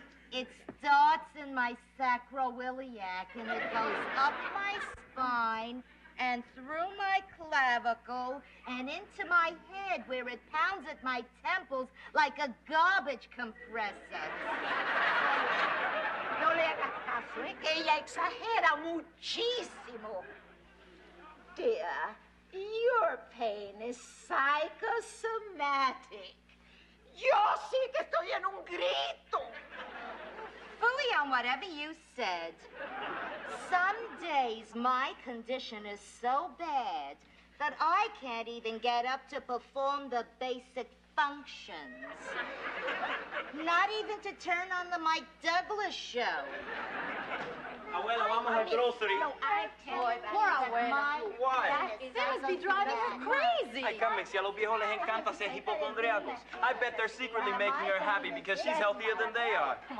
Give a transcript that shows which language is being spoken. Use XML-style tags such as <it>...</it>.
<en>It starts in my sacroiliac and it goes up my spine and through my clavicle and into my head where it pounds at my temples like a garbage compressor.</en> <es>No le hagas caso, es que ella exagera muchísimo.</es> <en>Dear, your pain is psychosomatic.</en> <es>Yo sí que estoy en un grito.</es> <en>Fully on whatever you said. Some days my condition is so bad that I can't even get up to perform the basic functions. Not even to turn on the Mike Douglas show.</en> <es>Abuela, vamos al grocery.</es> <en>No, I can't. Poor abuela. Why? That must be driving her crazy.</en> <es>Ay, come, si a los viejos les encanta ser hipocondriacos.</es> <en>I bet they're secretly making her happy because she's healthier than they are.</en>